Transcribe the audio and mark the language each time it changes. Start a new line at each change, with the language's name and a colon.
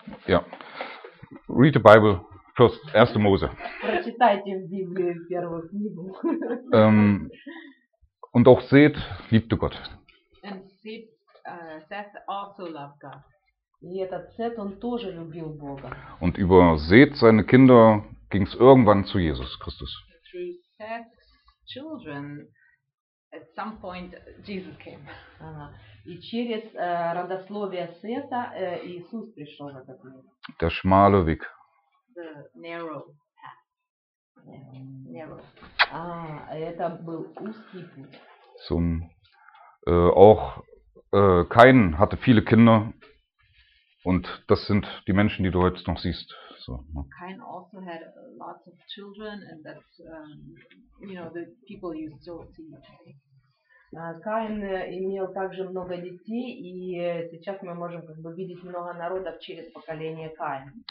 English: Yeah. Read the Bible first, 1 Mose.
Russian: Прочитайте в Библии первую книгу.
German: Und auch Сет liebte Gott.
English: And Сет, Seth also loved God.
Russian: И этот Сет, он тоже любил Бога.
German: Und über Seth, seine Kinder, ging es irgendwann zu Jesus Christus.
English: Through Seth's children, at some point, Jesus came.
Russian: И через родословие Сета Иисус пришел в этот мир.
German: Der schmale Weg.
English: The narrow path. Yeah. Narrow.
Russian: Это был узкий путь.
German: Zum, auch Cain hatte viele Kinder. Und das sind die Menschen, die du heute noch siehst. So, ne?
English: Cain also had lots of children, and that's you know, the people you still see today.
Russian: Cain имел также много детей, и сейчас мы можем как бы видеть много народов через поколение Cain.